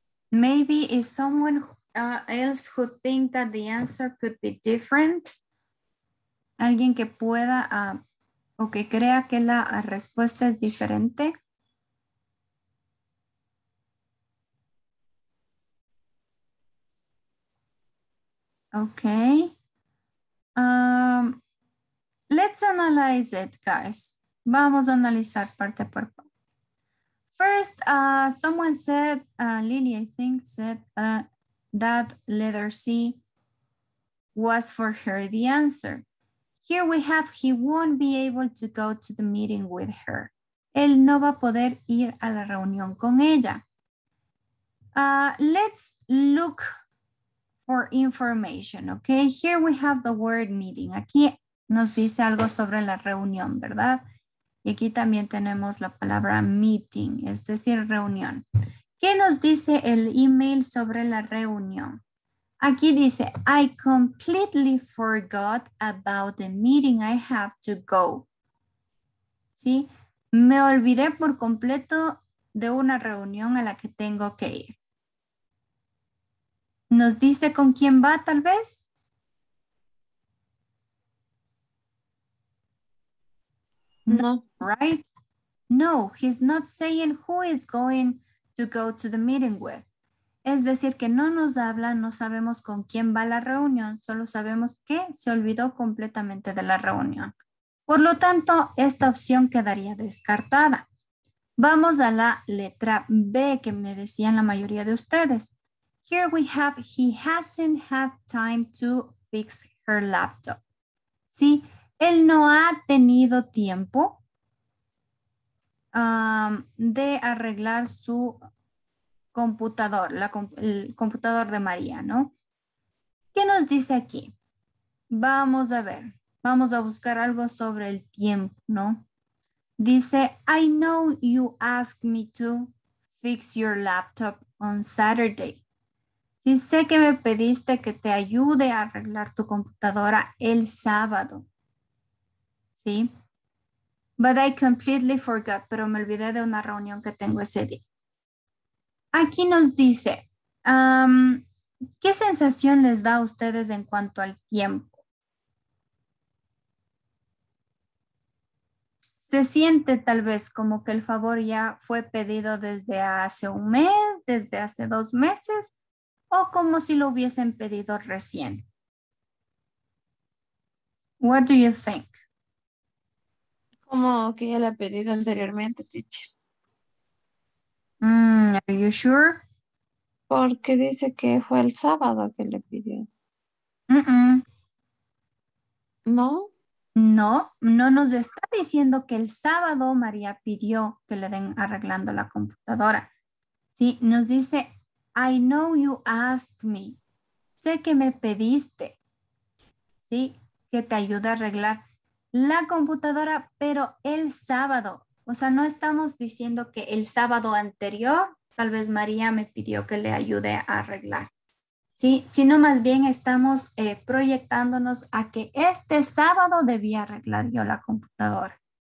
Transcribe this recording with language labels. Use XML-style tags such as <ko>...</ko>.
<en>Maybe is someone else who think that the answer could be different?</en> <es>¿Alguien que pueda o que crea que la respuesta es diferente?</es> <en>Teacher. Okay. Let's analyze it, guys.</en> <es>Vamos a analizar parte por parte.</es> <en>First, someone said, Lily, I think, said that letter C was for her the answer. Here we have, he won't be able to go to the meeting with her.</en> <es>Él no va a poder ir a la reunión con ella.</es> <en>Let's look for information, okay? Here we have the word meeting.</en> <es>Aquí nos dice algo sobre la reunión, ¿verdad? Y aquí también tenemos la palabra meeting, es decir, reunión. ¿Qué nos dice el email sobre la reunión? Aquí dice,</es> <en>I completely forgot about the meeting I have to go.</en> <es>¿Sí? Me olvidé por completo de una reunión a la que tengo que ir. ¿Nos dice con quién va, tal vez? No.</es> <en>Right? No, he's not saying who is going to go to the meeting with.</en> <es>Es decir, que no nos habla, no sabemos con quién va la reunión, solo sabemos que se olvidó completamente de la reunión. Por lo tanto, esta opción quedaría descartada. Vamos a la letra B que me decían la mayoría de ustedes.</es> <en>Here we have, he hasn't had time to fix her laptop.</en> <es>¿Sí? Él no ha tenido tiempo de arreglar su computador, el computador de María, ¿no? ¿Qué nos dice aquí? Vamos a ver, vamos a buscar algo sobre el tiempo, ¿no? Dice,</es> <en>I know you asked me to fix your laptop on Saturday.</en> <es>Sí, sé que me pediste que te ayude a arreglar tu computadora el sábado. Sí.</es> <en>But I completely forgot,</en> <es>pero me olvidé de una reunión que tengo ese día. Aquí nos dice, ¿qué sensación les da a ustedes en cuanto al tiempo? ¿Se siente tal vez como que el favor ya fue pedido desde hace un mes, desde hace dos meses, o como si lo hubiesen pedido recién?</es> <en>What do you think?</en> <es>Como que ya la he pedido anteriormente, teacher.</es> <en>Are you sure?</en> <es>Porque dice que fue el sábado que le pidió. ¿No? No, no nos está diciendo que el sábado María pidió que le den arreglando la computadora. Sí, nos dice,</es> <en>I know you asked me.</en> <es>Sé que me pediste. Sí, que te ayude a arreglar la computadora, pero el sábado. O sea, no estamos diciendo que el sábado anterior, tal vez María me pidió que le ayude a arreglar, ¿sí? Sino más bien estamos proyectándonos a que este sábado debía arreglar yo la computadora.</es>